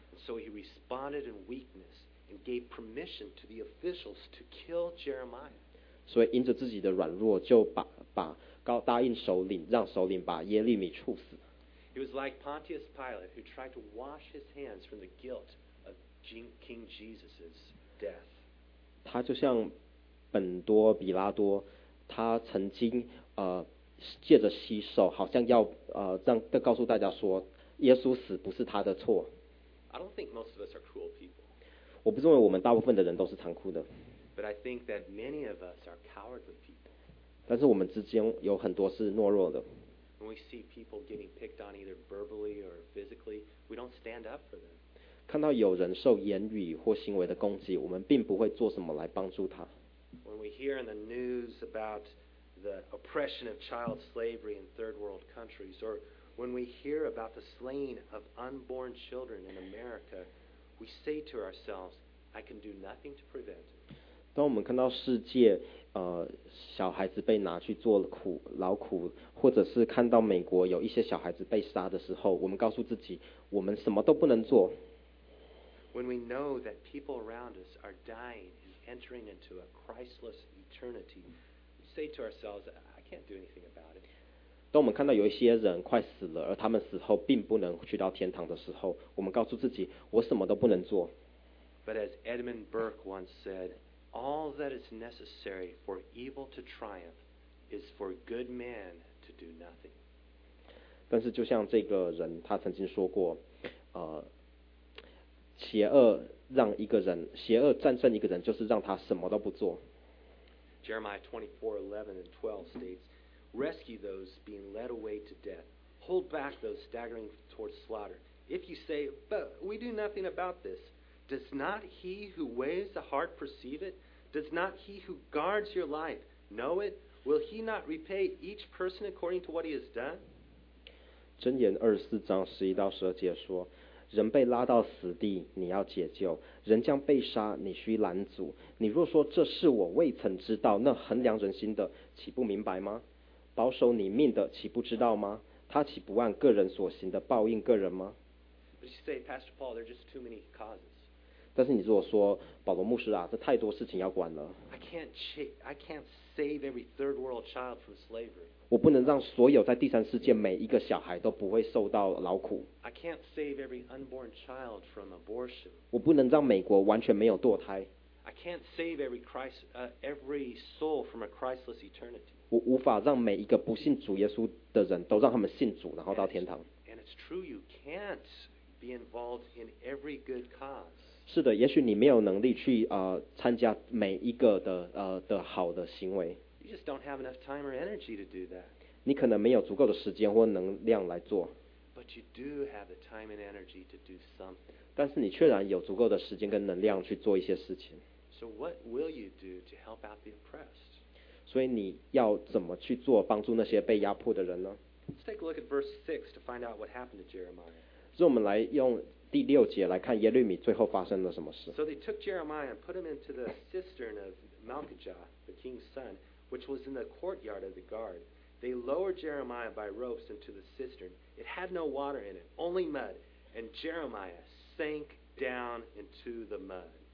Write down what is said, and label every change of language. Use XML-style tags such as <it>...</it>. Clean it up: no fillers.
<en>So he responded in weakness. And gave permission to the officials to kill Jeremiah.</en> <zh>所以因着自己的软弱，就答应首领，让首领把耶利米处死。</zh> <en>It was like Pontius Pilate who tried to wash his hands from the guilt of King Jesus's death.</en> <zh>他就像本多比拉多，他曾经借着洗手，好像要让告诉大家说，耶稣死不是他的错。</zh> <en>I don't think most of us are cruel people.</en> <zh>我不认为我们大部分的人都是残酷的。</zh> <en>But I think that many of us are cowardly people.</en> <zh>但是我们之间有很多是懦弱的。</zh> <en>When we see people getting picked on either verbally or physically, we don't stand up for them.</en> <zh>看到有人受言语或行为的攻击，我们并不会做什么来帮助他。</zh> <en>When we hear in the news about the oppression of child slavery in third world countries, or when we hear about the slaying of unborn children in America, we say to ourselves, "I can do nothing to prevent."</en> <zh>当我们看到世界，小孩子被拿去做苦劳苦，或者是看到美国有一些小孩子被杀的时候，我们告诉自己，我们什么都不能做。</zh> <en>When we know that people around us are dying and entering into a Christless eternity, we say to ourselves, "I can't do anything about it."</en> <zh>当我们看到有一些人快死了，而他们死后并不能去到天堂的时候，我们告诉自己，我什么都不能做。</zh> <en>But as Edmund Burke once said, "All that is necessary for evil to triumph is for good men to do nothing."</en> <zh>但是就像这个人他曾经说过，邪恶让一个人，邪恶战胜一个人，就是让他什么都不做。</zh> <en>Jeremiah 24:11 and 12 states, "Rescue those being led away to death. Hold back those staggering towards slaughter. If you say, 'But we do nothing about this,' does not he who weighs the heart perceive it? Does not he who guards your life know it? Will he not repay each person according to what he has done?"</en> <zh>箴言24:11-12说，人被拉到死地，你要解救；人将被杀，你需拦阻。你若说这是我未曾知道，那衡量人心的，岂不明白吗？保守你命的，岂不知道吗？他岂不按个人所行的报应个人吗？</zh> <en>But you say, Pastor Paul, there are just too many causes.</en> <zh>但是你如果说保罗牧师啊，这太多事情要管了。</zh> <en>I can't save every third world child from slavery.</en> <zh>我不能让所有在第三世界每一个小孩都不会受到劳苦。</zh> <en>I can't save every unborn child from abortion.</en> <zh>我不能让美国完全没有堕胎。</zh> <en>I can't save every soul from a Christless eternity.</en> <zh>我无法让每一个不信主耶稣的人都让他们信主，然后到天堂。</zh> <en>And it's true you can't be involved in every good cause.</en> <zh>是的，也许你没有能力去参加每一个的好的行为。</zh> <en>You just don't have enough time or energy to do that.</en> <zh>你可能没有足够的时间或能量来做。</zh> <en>But you do have the time and energy to do something.</en> <zh>但是你确然有足够的时间跟能量去做一些事情。</zh> <en>So what will you do to help out the oppressed?</en> <zh>所以你要怎么去做帮助那些被压迫的人呢？</zh> <en>Let's take a look at verse 6 to find out what happened to Jeremiah.</en> <zh>让我们来用第六节来看耶律米最后发生了什么事。</zh> <en>So they took Jeremiah and put him into the cistern of Malchijah, the king's son. Which was in the courtyard of the guard. They lowered Jeremiah by ropes into the cistern. It had no water in it, only mud. And Jeremiah sank down into the mud.</en>